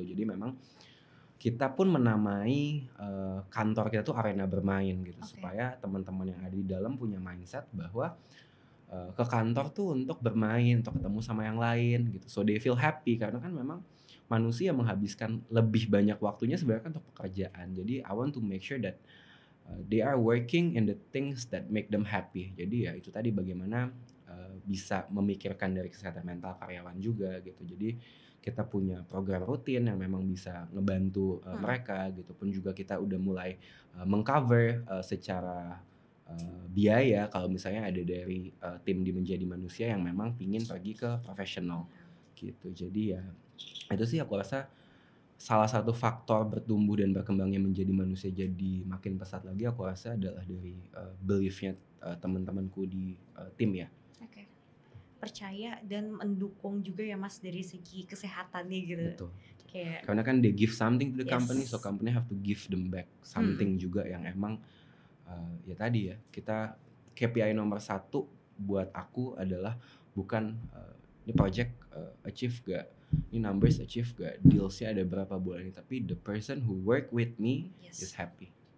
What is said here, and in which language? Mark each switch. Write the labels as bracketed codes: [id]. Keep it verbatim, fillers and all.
[id] Jadi memang kita pun menamai uh, kantor kita tuh arena bermain gitu, oke. supaya teman-teman yang ada di dalam punya mindset bahwa uh, ke kantor tuh untuk bermain, untuk ketemu sama yang lain gitu. [en] So they feel happy, [id] karena kan memang manusia menghabiskan lebih banyak waktunya sebenarnya kan untuk pekerjaan. [en] Jadi I want to make sure that uh, they are working in the things that make them happy. [id] Jadi ya itu tadi, bagaimana uh, bisa memikirkan dari kesehatan mental karyawan juga gitu. Jadi kita punya program rutin yang memang bisa ngebantu uh, Hmm. mereka gitu. Pun juga kita udah mulai uh, mengcover uh, secara uh, biaya kalau misalnya ada dari uh, tim di menjadi manusia yang memang pingin pergi ke profesional gitu. Jadi ya itu sih aku rasa salah satu faktor bertumbuh dan berkembangnya menjadi manusia jadi makin pesat lagi, aku rasa adalah dari uh, beliefnya uh, teman-temanku di uh, tim ya. Oke. Percaya dan mendukung juga ya mas dari segi kesehatannya gitu Betul, betul. kayak Karena kan [en] they give something to the company, so yes. company have to give them back Mm-mm. [id] something juga yang emang uh, ya tadi ya, kita K P I nomor satu buat aku adalah bukan uh, ini project uh, achieve gak, ini numbers achieve gak, Mm. dealsnya ada berapa bulan ini, tapi [en] the person who work with me is Yes. happy.